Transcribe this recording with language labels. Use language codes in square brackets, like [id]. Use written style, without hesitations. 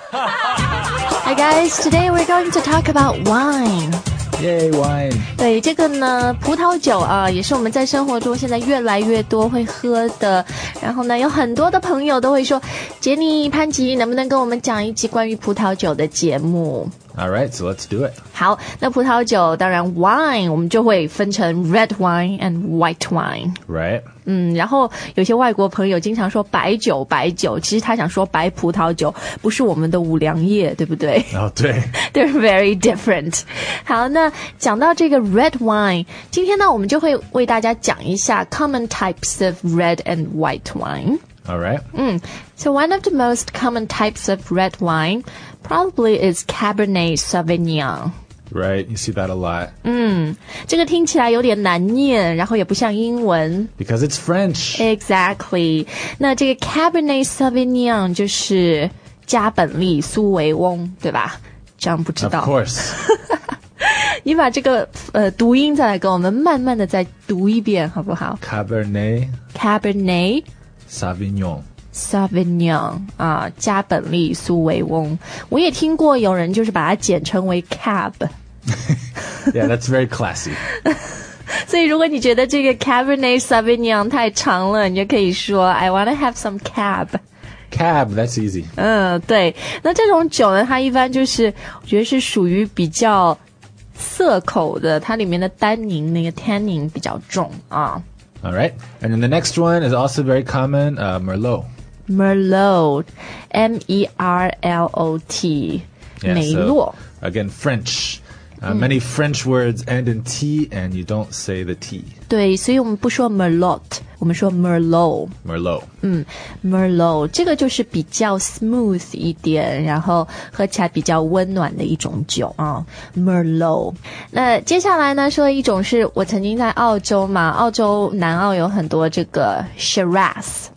[en] Hi guys, today we're going to talk about wine. Yay, wine. [zh] 对，这个呢，葡萄酒啊，也是我们在生活中现在越来越多会喝的。然后呢，有很多的朋友都会说，杰尼、潘吉，能不能跟我们讲一期关于葡萄酒的节目？ [en] All right, so let's do it. [zh] 好，那葡萄酒当然 wine 我们就会分成 [en] red wine and white wine. Right. [zh] 然后有些外国朋友经常说白酒白酒，其实他想说白葡萄酒，不是我们的五粮液，对不对？哦、oh, 对。 [en] They're very different. [zh] 好，那讲到这个 red wine, 今天呢我们就会为大家讲一下 [en] common types of red and white wine. Alright. So one of the most common types of red wine probably is Cabernet Sauvignon. Right, you see that a lot. [zh] 这个听起来有点难念，然后也不像英文。 [en] Because it's French. Exactly. [zh] 那这个 Cabernet Sauvignon 就是加本利苏维翁，对吧？这样不知道。 [en] Of course. [zh] 你把这个读音再来跟我们慢慢的再读一遍，好不好？ [en] Cabernet. Cabernet. Sauvignon. [zh] Sauvignon, 啊，加本利苏维翁。我也听过有人就是把它简称为 Cab. [en] Yeah, that's very classy. [zh] 所以如果你觉得这个 Cabernet Sauvignon 太长了，你就可以说 [en] I want to have some Cab. Cab, that's easy. [zh] 对。那这种酒呢，它一般就是我觉得是属于比较涩口的，它里面的单宁那个 tannin 比较重啊。 [en] All right. And then the next one is also very common, Merlot. Merlot. M-E-R-L-O-T. Merlot. Again, French. Many French words end in T and you don't say the T. [zh] 对，所以我们不说 Merlot, 我们说 Merlot. [en] Merlot. Merlot. [zh] 这个就是比较 smooth 一点，然后喝起来比较温暖的一种酒啊。 [en] Merlot. [zh] 那接下来呢，说一种是我曾经在澳洲嘛，澳洲南澳有很多这个 Shiraz.